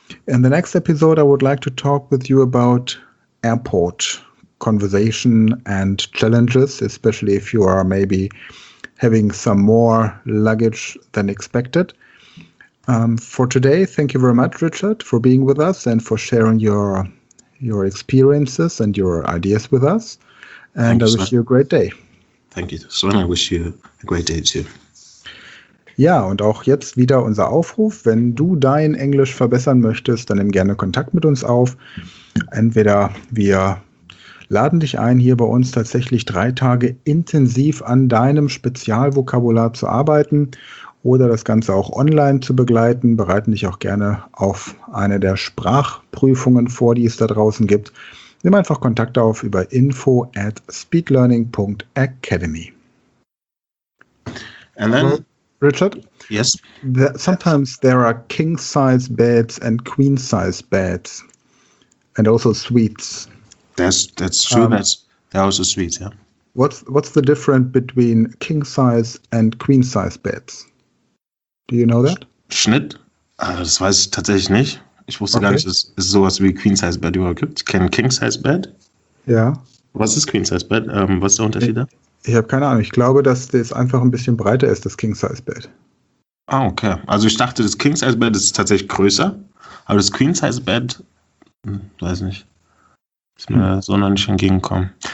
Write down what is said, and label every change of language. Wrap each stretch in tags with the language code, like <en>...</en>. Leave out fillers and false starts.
<en>In the next episode, I would like to talk with you about airport conversation and challenges, especially if you are maybe having some more luggage than expected. For today, thank you very much, Richard, for being with us and for sharing your experiences and your ideas with us. And thank I you, wish you a great day. Thank you, Sven. I wish you a great day, too.</en> <de>Ja, und auch jetzt wieder unser Aufruf. Wenn du dein Englisch verbessern möchtest, dann nimm gerne Kontakt mit uns auf. Entweder wir laden dich ein, hier bei uns tatsächlich 3 Tage intensiv an deinem Spezialvokabular zu arbeiten oder das Ganze auch online zu begleiten. Bereiten dich auch gerne auf eine der Sprachprüfungen vor, die es da draußen gibt. Nimm einfach Kontakt auf über info@speedlearning.academy.</de> <en>And then Richard? Yes. Sometimes there are king size beds and queen size beds, and also suites. That's true. There are also suites, yeah. What's the difference between king size and queen size beds? Do you know that?</en> <de>Schnitt? Das weiß ich tatsächlich nicht. Ich wusste gar nicht, dass es sowas wie queen size bed überhaupt gibt. Kennt king size bed? Ja. Was ist queen size bed? Was ist der Unterschied da? Ich habe keine Ahnung. Ich glaube, dass das einfach ein bisschen breiter ist, das King-Size-Bett. Ah, okay. Also ich dachte, das King-Size-Bett ist tatsächlich größer, aber das Queen-Size-Bett, weiß nicht, ist mir so noch nicht entgegenkommen.</de>